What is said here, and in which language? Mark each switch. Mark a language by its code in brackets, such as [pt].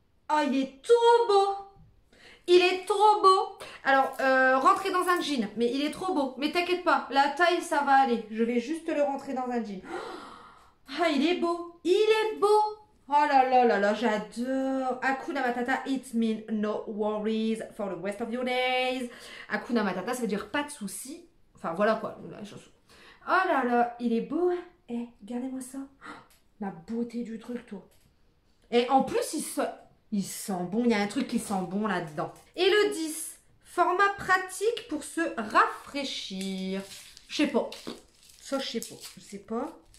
[fr] Oh, il est trop beau. Il est trop beau. Alors, rentrez dans un jean. Mais il est trop beau. Mais t'inquiète pas, la taille, ça va aller. Je vais juste le rentrer dans un jean. Ah, il est beau. Il est beau. Oh là là là là, j'adore. [en] Hakuna Matata, it means no worries for the rest of your days. [fr] Hakuna Matata, ça veut dire pas de soucis. Enfin, voilà quoi, la chanson. Oh là là, il est beau, hein. Eh, regardez-moi ça. La beauté du truc, toi. Et en plus, il sent bon. Il y a un truc qui sent bon là-dedans. Et le 10, format pratique pour se rafraîchir. Je sais pas. Ça, je sais pas. Je sais pas.